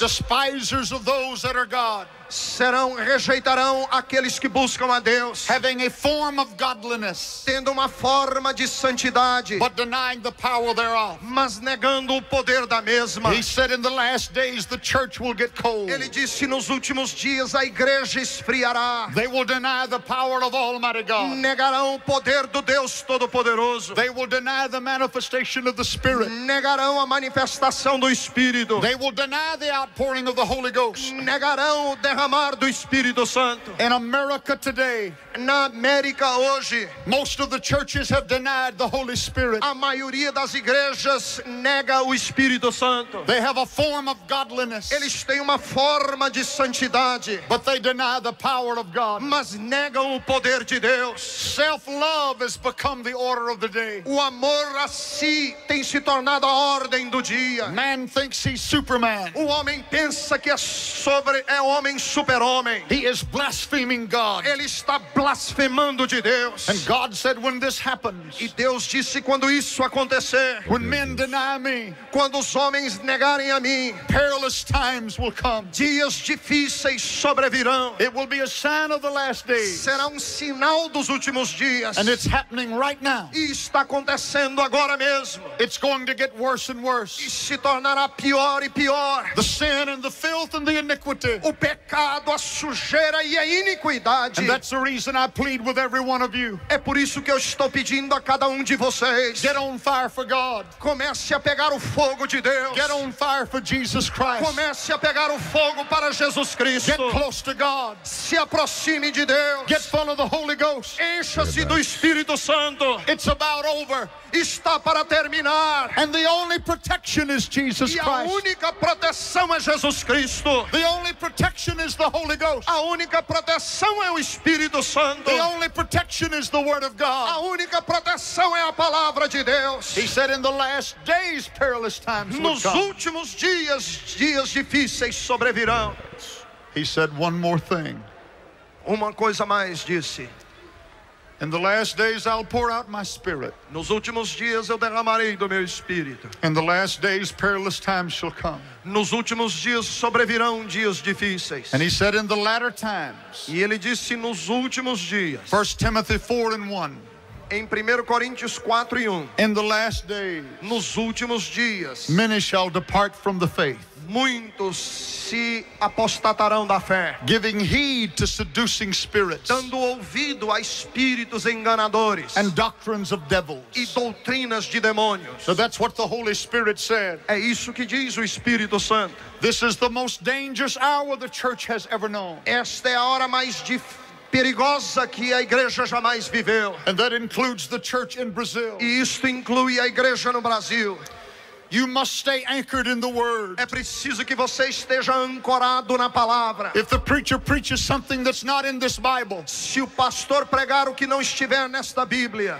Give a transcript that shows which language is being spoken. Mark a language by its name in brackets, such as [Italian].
[English] Despisers of those that are God. [Portuguese] Serão, rejeitarão aqueles que buscam a Deus. [English] Having a form of godliness, [Portuguese] tendo uma forma de santidade, [English] but denying the power thereof. [Portuguese] Mas negando o poder da mesma. [English] He said, in the last days, the church will get cold. [Portuguese] Ele disse, nos últimos dias a igreja esfriará. [English] They will deny the power of Almighty God. [Portuguese] Negarão o poder do Deus Todo-Poderoso. [English] They will deny the manifestation of the Spirit. [Portuguese] Negarão a manifestação do Espírito. [English] They will deny the outpouring of the Holy Ghost. [Portuguese] Negarão derramar do Espírito Santo. [English] In America today, [Portuguese] na América hoje, [English] most of the churches have denied the Holy Spirit. [Portuguese] A maioria das igrejas nega o Espírito Santo. [English] They have a form of godliness. [Portuguese] Eles têm uma forma de santidade. [English] But they deny the power of God. [Portuguese] Mas negam o poder de Deus. [English] Self-love has become the order of the day. [Portuguese] O amor a si tem se tornado a ordem do dia. [English] Man thinks he's Superman. [Portuguese] O homem pensa que é o homem super-homem. [English] He is blaspheming God. [Portuguese] Ele está blasfemando de Deus. [English] And God said, when this happens, [Portuguese] e Deus disse, quando isso acontecer, [English] when men deny me, [Portuguese] quando os homens negarem a mim, [English] perilous times will come. [Portuguese] Dias difíceis sobrevirão. [English] It will be a sign of the last days. [Portuguese] Será sinal dos últimos dias. [English] And it's happening right now. [Portuguese] E está acontecendo agora mesmo. [English] It's going to get worse and worse. [Portuguese] E se tornará pior e pior. [English] The sin and the filth and the iniquity. [Portuguese] O pecado pecado, a sujeira e a iniquidade. [English] And that's the reason I plead with every one of you. [Portuguese] É por isso que eu estou pedindo a cada de vocês. [English] Get on fire for God. [Portuguese] Comece a pegar o fogo de Deus. [English] Get on fire for Jesus Christ. [Portuguese] Comece a pegar o fogo para Jesus Cristo. [English] Get close to God. [Portuguese] Se aproxime de Deus. [English] Get full of the Holy Ghost. [Portuguese] Encha-se do Espírito Santo. [English] It's about over. [Portuguese] Está para terminar. [English] And the only protection is Jesus Christ. [Portuguese] E a única proteção é Jesus Cristo. [English] The only protection is the Holy Ghost. [Portuguese] A única proteção é o Espírito Santo. [English] The only protection is the Word of God. [Portuguese] A única proteção é a palavra de Deus. [English] He said in the last days perilous times would come. [Portuguese] Nos últimos dias, dias difíceis sobrevirão. [English] He said one more thing. [Portuguese] Uma coisa mais disse. [English] In the last days I'll pour out my spirit. [Portuguese] Nos últimos dias eu derramarei do meu espírito. [English] In the last days perilous times shall come. [Portuguese] Nos últimos dias sobrevirão dias difíceis. [English] And he said in the latter times. [Portuguese] E ele disse nos últimos dias. [English] 1 Timothy 4 and 1. [Portuguese] Em 1 Coríntios 4 e 1. [English] In the last days. [Portuguese] Nos últimos dias. [English] Many shall depart from the faith. [Portuguese] Muitos se apostatarão da fé. [English] Giving heed to seducing spirits. [Portuguese] Dando ouvido a espíritos enganadores. [English] And doctrines of devils. [Portuguese] E doutrinas de demônios. [English] So that's what the Holy Spirit said. [Portuguese] É isso que diz o Espírito Santo. [English] This is the most dangerous hour the church has ever known. [Portuguese] Esta é a hora mais perigosa que a igreja jamais viveu. [English] And that includes the church in Brazil. [Portuguese] E isto inclui a igreja no Brasil. [English] You must stay anchored in the word. [Portuguese] É preciso que você esteja ancorado na palavra. [English] If the preacher preaches something that's not in this Bible, [Portuguese] se o pastor pregar o que não estiver nesta Bíblia,